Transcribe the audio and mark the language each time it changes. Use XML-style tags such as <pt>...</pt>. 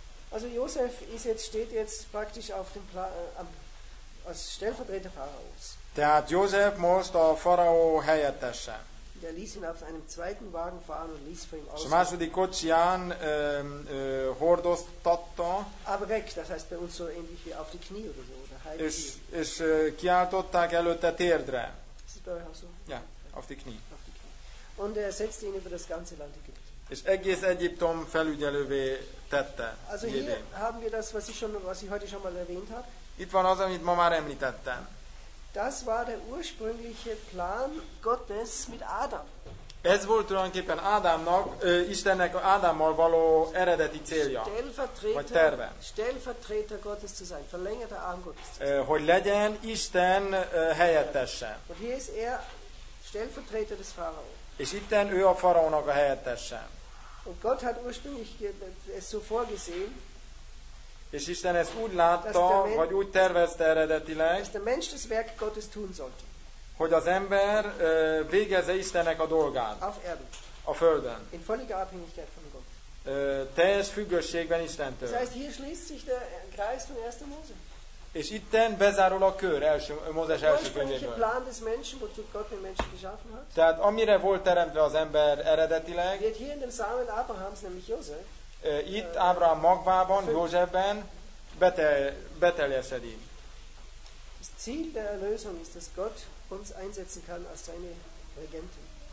<de>Also Josef ist jetzt, steht jetzt praktisch auf dem als Stellvertreter Pharaos.</de> <hu>Tehát Josef most a Pharao helyettese.</hu> <de>Der ließ ihn auf einem zweiten Wagen fahren und ließ vor ihm aus.</de> <hu>A második kocsiján hordoztatta.</hu> <de>Abrek, das heißt bei uns so ähnlich wie auf die Knie oder so.</de> <hu>És kiáltották előtte térdre.</hu> <de>Ja, auf die Knie. Und er setzte ihn über das ganze Land Ägypten.</de> <hu>És egész Egyiptom felügyelővé tette.</hu> <de>Also hier haben wir das, was ich heute schon mal erwähnt habe.</de> <hu>Itt van az, amit ma már említettem.</hu> <de>Das war der ursprüngliche Plan Gottes mit Adam.</de> <hu>Ez volt tulajdonképpen Ádámnak, Istennek Ádámmal való eredeti célja, vagy terve.</hu> <de>Stellvertreter Gottes zu sein, verlängerter Arm Gottes.</de> <hu>Hogy legyen Isten helyettese.</hu> <de>Und hier ist er Stellvertreter des Pharao.</de> <hu>És itten ő a faraónak a helyettese.</hu> <de>Und Gott hat ursprünglich es so vorgesehen.</de> <hu>És Isten ezt úgy látta, vagy úgy tervezte eredetileg,</hu> <de>dass der Mensch das Werk Gottes tun sollte.</de> <hu>Hogy az ember végezze Istennek a dolgát.</hu> <de>Auf Erden.</de> <hu>A Földön.</hu> <de>In völliger Abhängigkeit von Gott.</de> <hu>Teljes függőségben Istentől.</hu> <de>Das heißt, hier schließt sich der Kreis von 1. Mose.</de> <hu>És itten bezárul a kör első, Mózes első könyvéből.</hu> <de>Plan des Menschen, wozu Gott den Menschen geschaffen hat.</de> <hu>Tehát amire volt teremtve az ember eredetileg.</hu> <de>Wird hier in dem Samen Abrahams, nämlich Josef.</de> <hu>Itt Ábrahám magvában, Józsefben beteljesedi.</hu> <de>Das Ziel der Erlösung ist, dass Gott uns einsetzen kann als seine Regenten.</de>